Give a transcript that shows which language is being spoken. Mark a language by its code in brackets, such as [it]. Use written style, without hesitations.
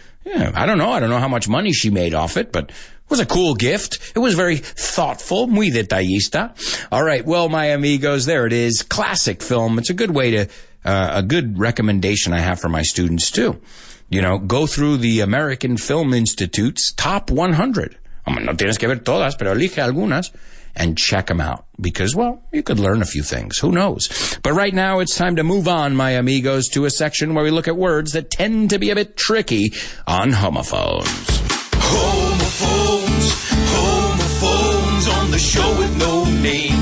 [en] Yeah, I don't know. I don't know how much money she made off it, but it was a cool gift. It was very thoughtful. [es] Muy detallista. [en] All right. Well, my amigos, there it is. Classic film. It's a good way to, a good recommendation I have for my students too. You know, go through the American Film Institute's top 100. [es] I mean, no tienes que ver todas, pero elige algunas. [en] And check them out because, well, you could learn a few things. Who knows? But right now it's time to move on, my amigos, to a section where we look at words that tend to be a bit tricky on homophones. Homophones, homophones on the show with no name.